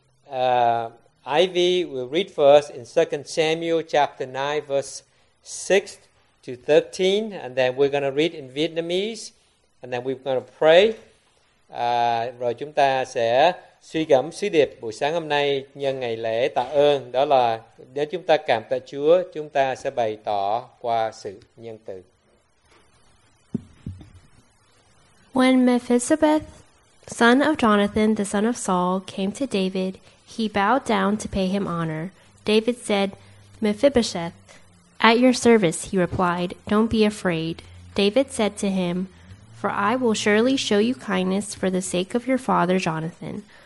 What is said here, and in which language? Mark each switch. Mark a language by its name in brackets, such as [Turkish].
[English] Ivy will read for us in 2 Samuel chapter 9, verse 6 to 13, and then we're going to read in Vietnamese, and then we're going to pray. [Vietnamese] Rồi chúng ta sẽ suy gẫm sứ điệp buổi sáng hôm nay nhân ngày lễ tạ ơn. Đó là nếu chúng ta cảm tạ Chúa, chúng ta sẽ bày tỏ qua sự nhân từ. [English] When Mephibosheth, son of Jonathan, the son of Saul, came to David, he bowed down to pay him honor. David said, "Mephibosheth, at your service," he replied, "don't be afraid." David said to him, "For I will surely show you kindness for the sake of your father Jonathan.